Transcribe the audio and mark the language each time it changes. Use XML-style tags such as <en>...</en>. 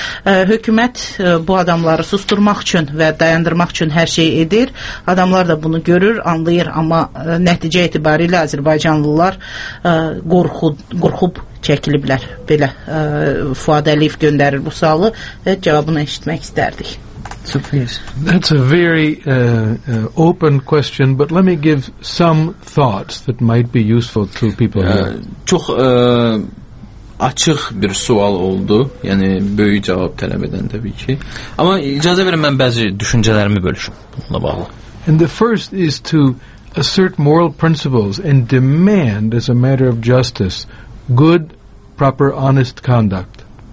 <az>Hökumət bu adamları susturmaq üçün və dayandırmaq üçün hər şey edir. Adamlar da bunu görür, anlayır, amma nəticə etibarilə azərbaycanlılar qorxub çəkiliblər. Belə Fuad Əliyev göndərir bu sualı və cavabını eşitmək istərdik.</az> <en>So please. That's a very open question, but let me give some thoughts that might be useful to people here.</en> <az>Çox açıq bir sual oldu, yəni böyük cavab tələb edən təbii ki. Amma icazə verin, mən bəzi düşüncələrimi bölüşüm bununla bağlı.</az> <en>And the first is to assert moral principles and demand as a matter of justice good, proper, honest conduct.</en>